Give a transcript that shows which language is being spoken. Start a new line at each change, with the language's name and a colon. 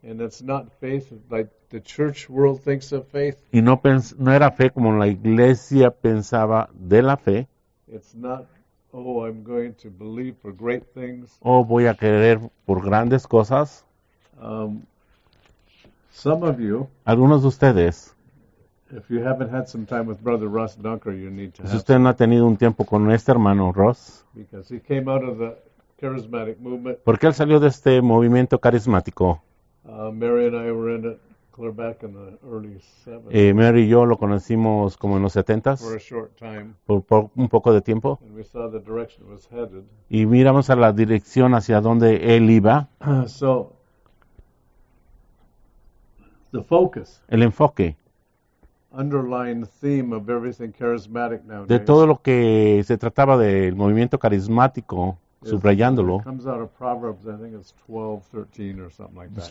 English: And it's not faith like the church world thinks of faith.
Spanish: Y no era fe como la iglesia pensaba de la fe.
English: It's not oh, I'm going to believe for great things.
Spanish: Oh, voy a creer por grandes cosas.
English: Some of you,
Spanish: algunos de ustedes,
English: if you haven't had some time with Brother Ross Dunker, you need to.
Spanish: Si usted no ha tenido un tiempo con este hermano Ross,
English: because he came out of the charismatic movement.
Spanish: Porque él salió de este movimiento carismático.
English: Mary and I were in it. Clear back in the early 70s.
Spanish: Mary y yo lo conocimos como en los 70s.
English: For a short time.
Spanish: Por un poco de tiempo.
English: And we saw the direction it was headed.
Spanish: Y miramos a la dirección hacia donde él iba.
English: So, The focus.
Spanish: El enfoque.
English: Underlying theme of everything charismatic nowadays.
Spanish: De todo lo que se trataba del movimiento carismático, subrayándolo.
English: It comes out of Proverbs, I think it's 12, 13 or something like that.